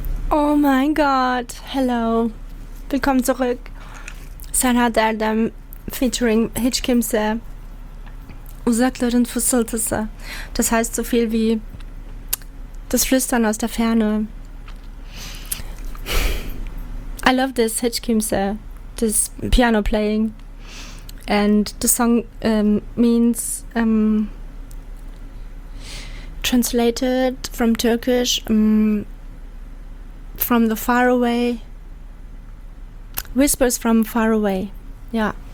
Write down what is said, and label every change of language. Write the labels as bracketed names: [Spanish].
[German] Oh mein Gott, hello, willkommen zurück. [Turkish] Sana Derdem featuring Hiç Kimse, Uzakların Fısıltısı. [German] Das heißt so viel wie das Flüstern aus der Ferne. [English] I love this hiç kimse, this piano playing, and the song means translated from Turkish, from the far away, whispers from far away. Yeah.